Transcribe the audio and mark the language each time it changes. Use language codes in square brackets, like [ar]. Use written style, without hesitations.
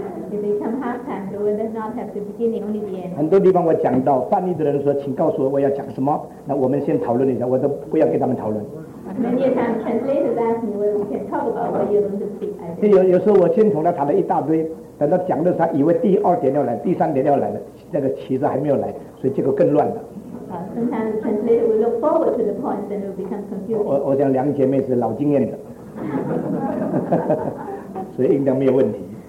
[en] If they come half-time, the one does not have the beginning, only the end. [zh] 很多地方我讲到, 翻译的人说, 请告诉我我要讲什么, 那我们先讨论一下, 我都不要给他们讨论。 [en] Many a time, translators ask me whether we can talk about what you're going to speak. [zh] 有时候我先从他谈了一大堆, 等到讲的时候他以为第二点要来, 第三点要来了, 那个旗子还没有来, 所以这个更乱了。 [en] Sometimes the translator will look forward to the point, then it will become confusing. [zh] 我想两姐妹是老经验的。所以应当没有问题。